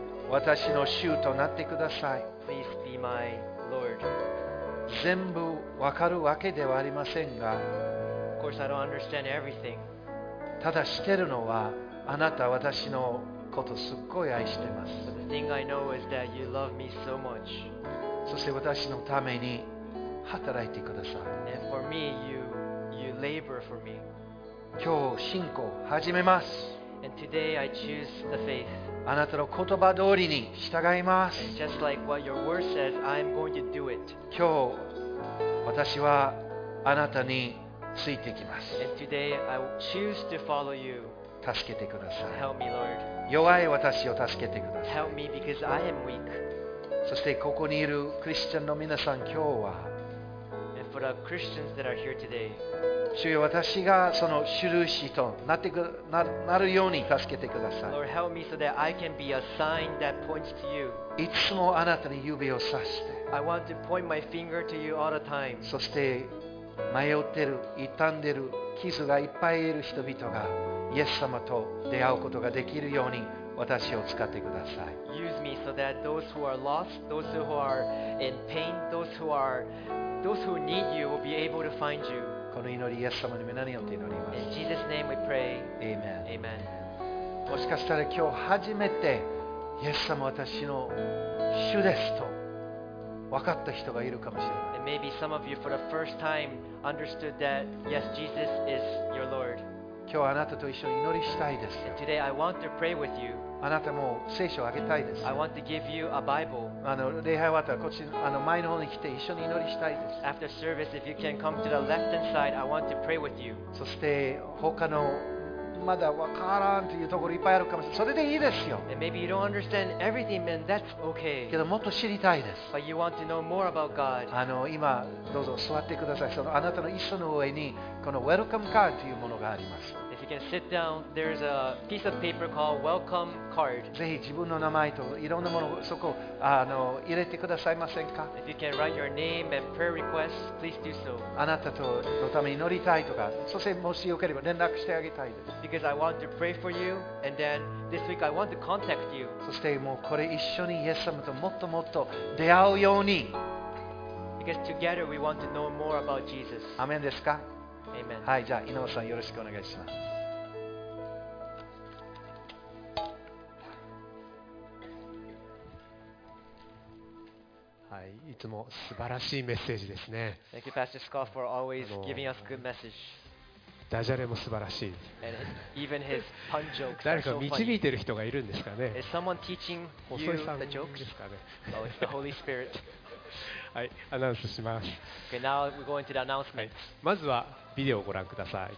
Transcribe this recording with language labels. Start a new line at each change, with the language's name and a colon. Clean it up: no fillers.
Japanese: 私の主となってください。
English: Please be my Lord.
Japanese: 全部わかるわけではありませんが、
English: Of course, I don't understand everything.
Japanese: ただ知ってるのは、あなた私のことすっごい愛してます。
English: But the thing I know is that you love me so much.
Japanese: そして私のために働いてください。
English: And for me, you labor for me.
Japanese: 今日信仰始めます。
English: And today I choose the faith.
Japanese: あなたの言葉通りに従います。
English: Just like what your word says, I'm going to do it.
Japanese: 今日、私はあなたについていきます。
English: And today, I choose to follow you.
Japanese: 助けてください。
English: Help me, Lord.
Japanese: 弱い私を助けてください。
English: Help me because I am weak.
Japanese: そしてここにいるクリスチャンの皆さん、今日は、
English: And for the Christians that are here today,
Japanese: 主よ、私がその印となるように助けてください。
English: Lord, help me so that I can be a sign that points to you.
Japanese: いつもあなたに指をさして。
English: I want to point my finger to you all the time.
Japanese: そして迷ってる、傷んでる、傷がいっぱいいる人々がイエス様と出会うことができるように私を使ってください。
English: Use me so that those who are lost, those who are in pain, those who need you will be able to find you.
Japanese: この祈りイエス様に皆によって祈ります。
English: In Jesus' name we pray. Amen. Amen.
Japanese: もしかしたら今日初めてイエス様私の主ですと分かった人がいるかもしれない。
English: And maybe some of you for the first time understood that yes, Jesus is your Lord.
Japanese: 今日あなたと一緒に祈りしたいです。
English: And today I want to pray with you.
Japanese: あなたも聖書をあげたいです。
English: I want to give you a Bible.
Japanese: あの礼拝終わったらこっちあの前の方に来て一緒に祈りしたいです。
English: After service, if you can come to the left-hand side, I want to pray with you.
Japanese: そして他のまだ分からんというところいっぱいあるかもしれない。それでいいですよ。
English: And maybe you don't understand everything, man. That's okay.
Japanese: けどもっと知りたいです。
English: But you want to know more about God.
Japanese: 今どうぞ座ってください。そのあなたの椅子の上にこのウェルカムカードというものがあります。
English: If you can sit down, there's a piece of paper called welcome card.
Japanese: ぜひ自分の名前といろんなものをそこ入れてくださいませんか。
English: If you can write your name and prayer request, please do so.
Japanese: あなたとのために祈りたいとか、そしてもしよければ連絡してあげたいです。
English: Because I want to pray for you, and then this week I want to contact you.
Japanese: そしてもうこれ一緒にイエス様ともっともっと出会うように。
English: Because together we want to know more about Jesus.
Japanese: アメンですか。
English: Amen.
Japanese: はい、じゃあ井上さんよろしくお願いします。はい、いつも素晴らしいメッセージですね。
English: Thank you, Pastor Scott, for always giving us good message.
Japanese: ダジャレも素晴らしい。
English: And even his pun jokes are so funny.
Japanese: 誰か導いてる人がいるんですかね。
English: Is someone teaching you the jokes?
Japanese: ですかね。
English: Oh, it's the Holy Spirit.
Japanese: はい、アナウンスします。
English: Okay, now we're going to the announcement.
Japanese: まずはビデオをご覧ください。